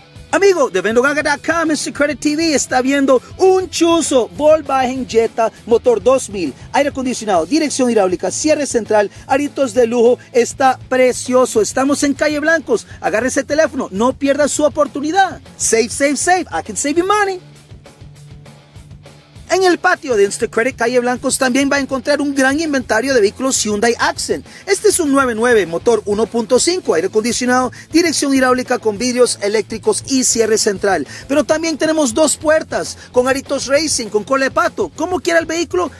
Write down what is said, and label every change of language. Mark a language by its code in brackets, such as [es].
[es] Amigo de VendoGaga.com, Mr. Credit TV está viendo un chuzo Volkswagen Jetta, motor 2000, aire acondicionado, dirección hidráulica, cierre central, aritos de lujo, está precioso. Estamos en Calle Blancos, agarre ese teléfono, no pierda su oportunidad. [en] Save, save, save, I can save you money. [es] En el patio de Instant Credit Calle Blancos también va a encontrar un gran inventario de vehículos Hyundai Accent. Este es un 9.9, motor 1.5, aire acondicionado, dirección hidráulica con vidrios eléctricos y cierre central. Pero también tenemos dos puertas con aritos racing, con cola de pato. ¿Cómo quiera el vehículo?